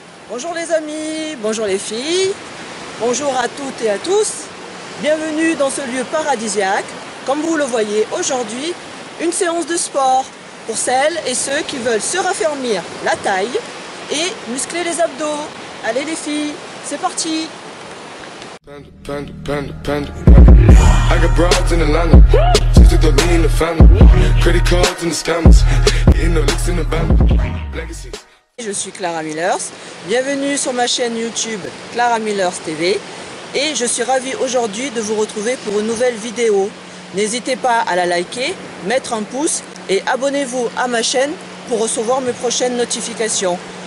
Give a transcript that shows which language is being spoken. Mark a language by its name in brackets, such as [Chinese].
[French] Bonjour les amis, bonjour les filles, bonjour à toutes et à tous. Bienvenue dans ce lieu paradisiaque. Comme vous le voyez aujourd'hui, une séance de sport pour celles et ceux qui veulent se raffermir la taille et muscler les abdos. Allez les filles, c'est parti! [English] I got broads in Atlanta, just to be in the family, credit cards and the scams, getting the licks in the band, legacy. [French] Je suis Clara Millers, bienvenue sur ma chaîne YouTube Clara Millers TV et je suis ravie aujourd'hui de vous retrouver pour une nouvelle vidéo. N'hésitez pas à la liker, mettre un pouce et abonnez-vous à ma chaîne pour recevoir mes prochaines notifications.